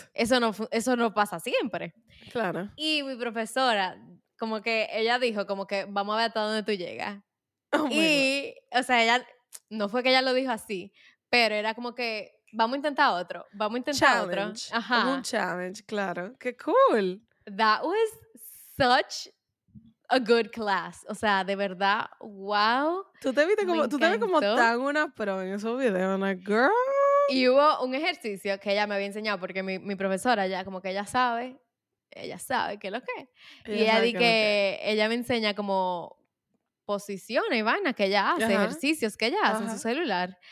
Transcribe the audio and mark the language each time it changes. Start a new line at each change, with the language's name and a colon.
Spanish: Eso no pasa siempre. Claro. Y mi profesora, como que ella dijo, como que vamos a ver hasta dónde tú llegas. Oh, y, o sea, ella, no fue que ella lo dijo así, pero era como que, vamos a intentar otro. Ajá. Un challenge, claro. ¡Qué cool!
English: That was such a good class.
Spanish: O sea, de verdad, wow. Tú te viste como tan una pro en esos videos, una girl. Y hubo un ejercicio que ella me había enseñado, porque mi profesora ya como que ella sabe qué es lo que es. Y ella di que ella me enseña como posiciones y vainas que ella hace, ejercicios que ella hace en su celular.